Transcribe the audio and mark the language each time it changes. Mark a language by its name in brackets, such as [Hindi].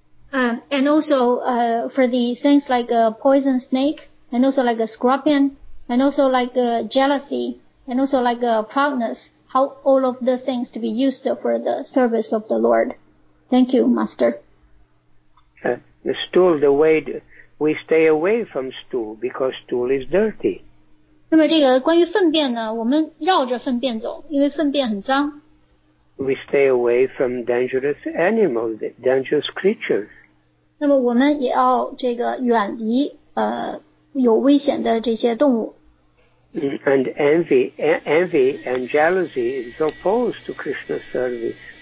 [English] And also for the things like a poison snake, and also like a scorpion, and also like jealousy, and also like proudness, how all of the things to be used for the service of the Lord. Thank you, Master. The stool, the way we stay away from stool, because stool is dirty. [Chinese] 那么这个关于粪便呢，我们绕着粪便走，因为粪便很脏。 [English] We stay away from dangerous animals, dangerous creatures. [Chinese] 那么我们也要这个远离有危险的这些动物。 [English] And envy and jealousy is opposed to Krishna's service.